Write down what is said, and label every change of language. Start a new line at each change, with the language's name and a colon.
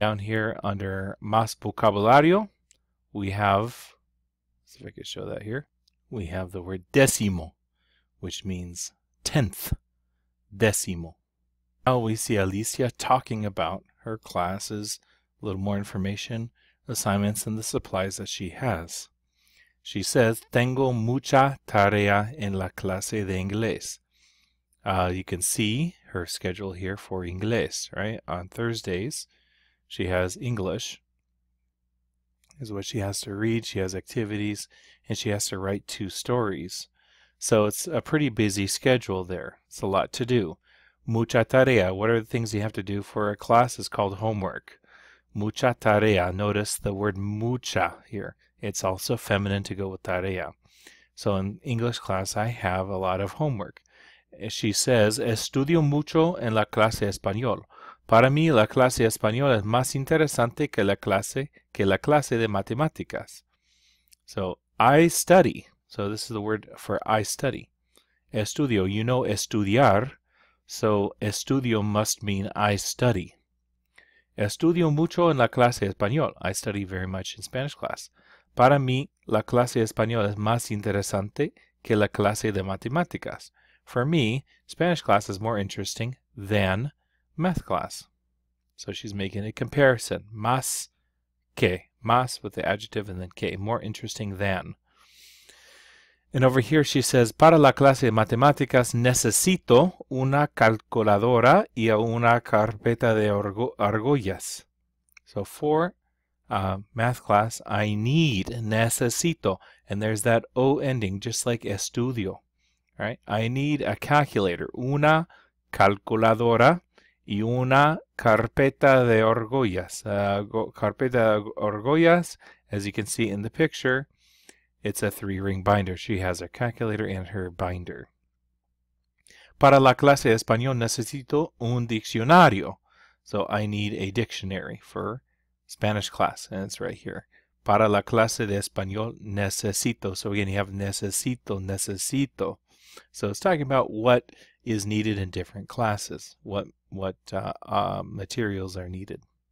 English: Down here under más vocabulario, we have, let's see if I can show that here, we have the word décimo, which means tenth, décimo. Now we see Alicia talking about her classes, a little more information, assignments, and the supplies that she has. She says,
Spanish: tengo mucha tarea en la clase de inglés.
English: You can see her schedule here for inglés, right? On Thursdays, she has English, is what she has to read. She has activities, and she has to write two stories. So it's a pretty busy schedule there. It's a lot to do.
Spanish: Mucha tarea.
English: What are the things you have to do for a class? It's called homework.
Spanish: Mucha tarea.
English: Notice the word mucha here. It's also feminine to go with tarea. So in English class, I have a lot of homework. She says,
Spanish: estudio mucho en la clase español. Para mí, la clase español es más interesante que la clase de matemáticas.
English: So, I study. So, this is the word for I study. Estudio, you know estudiar. So, estudio must mean I study.
Spanish: Estudio mucho en la clase español.
English: I study very much in Spanish class.
Spanish: Para mí, la clase español es más interesante que la clase de matemáticas.
English: For me, Spanish class is more interesting than math class. So she's making a comparison. Más que. Más with the adjective and then que. More interesting than. And over here she says,
Spanish: para la clase de matemáticas necesito una calculadora y una carpeta de argollas.
English: So for math class, I need, necesito. And there's that O ending, just like estudio. Right? I need a calculator,
Spanish: una calculadora y una carpeta de argollas.
English: Carpeta de argollas, as you can see in the picture, it's a three-ring binder. She has a calculator and her binder.
Spanish: Para la clase de español necesito un diccionario.
English: So I need a dictionary for Spanish class, and it's right here.
Spanish: Para la clase de español necesito.
English: So again, you have
Spanish: necesito.
English: So it's talking about what is needed in different classes, what materials are needed.